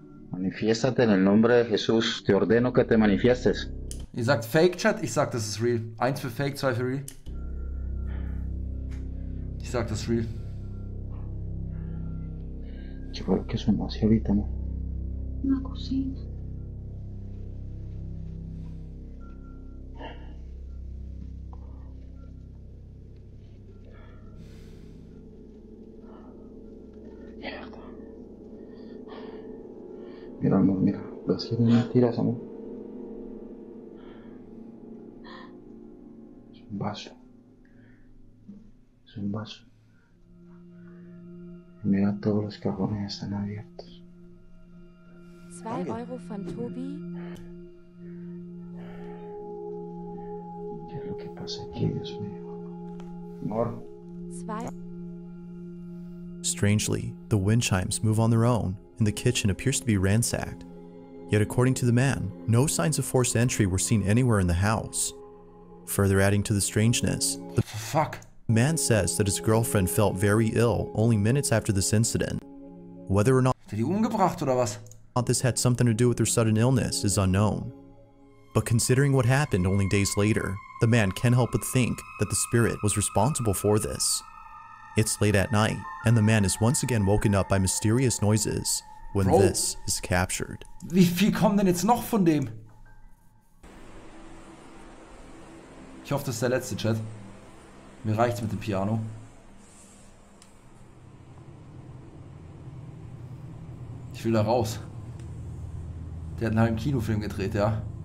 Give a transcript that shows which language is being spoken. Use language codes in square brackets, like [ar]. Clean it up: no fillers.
[es] Manifiestate en el nombre de Jesús. Te ordeno que te manifiestes. [de] Ihr sagt Fake-Chat, ich sag, das ist real. 1 für Fake, 2 für real. Ich sag, das ist real. Ich wollte, dass du mal hier bist, ne? Na, Cousine. [es] hermano, mira, lo siento, mentiras, amor. Es un vaso. Es un vaso. Mira, todos los cajones están abiertos. [de] 2 Euro von Tobi. [es] ¿Qué es lo que pasa aquí, Dios mío? Amor. 2 [en] Strangely, the wind chimes move on their own, and the kitchen appears to be ransacked. Yet according to the man, no signs of forced entry were seen anywhere in the house. Further adding to the strangeness, the fuck? Man says that his girlfriend felt very ill only minutes after this incident. Whether or not [de] Hat er die umgebracht oder was? [en] This had something to do with her sudden illness is unknown. But considering what happened only days later, the man can't help but think that the spirit was responsible for this. It's late at night, and the man is once again woken up by mysterious noises when Bro, this is captured. [de] Wie viel kommen denn jetzt noch von dem? Ich hoffe, das ist der letzte Chat. Mir reicht's mit dem Piano. Ich will da raus. Der hat nach einem Kinofilm gedreht, ja?